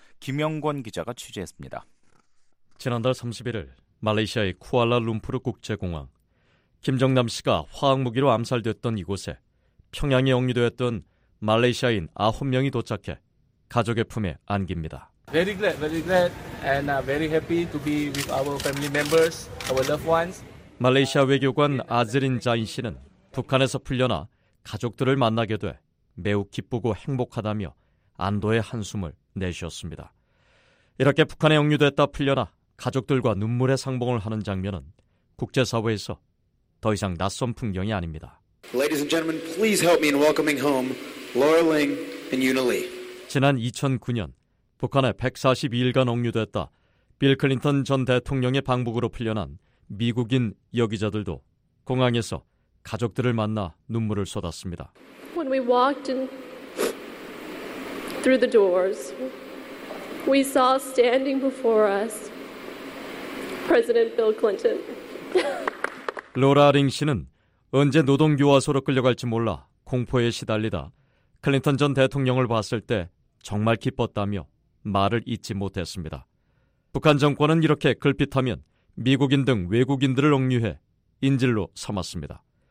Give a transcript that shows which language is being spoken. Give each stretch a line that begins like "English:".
Korean: 김영권 기자가 취재했습니다. 지난달 31일 말레이시아의 쿠알라룸푸르 국제공항, 김정남 씨가 화학무기로 암살됐던 이곳에 평양에 억류되었던 말레이시아인 9명이 도착해 가족의 품에 안깁니다.
English: Very glad and very happy to be with our family members, our loved ones.
Korean: 말레이시아 외교관 아즈린 자인 씨는 북한에서 풀려나 가족들을 만나게 돼 매우 기쁘고 행복하다며 안도의 한숨을 내쉬었습니다. 이렇게 북한에 억류됐다 풀려나 가족들과 눈물의 상봉을 하는 장면은 국제사회에서 더 이상 낯선 풍경이 아닙니다.
English: Ladies and gentlemen, please help me in welcoming home Laura Ling and Yuna Lee.
Korean: 지난 2009년 북한에 142일간 억류됐다 빌 클린턴 전 대통령의 방북으로 풀려난 미국인 여기자들도 공항에서 가족들을 만나 눈물을 쏟았습니다.
English: When we walked in through the doors, we saw standing before us President Bill Clinton.
Korean: 로라 링 씨는 언제 노동교화소로 끌려갈지 몰라 공포에 시달리다 클린턴 전 대통령을 봤을 때 정말 기뻤다며 말을 잊지 못했습니다. 북한 정권은 이렇게 글핏하면 미국인 등 외국인들을 억류해 인질로 삼았습니다.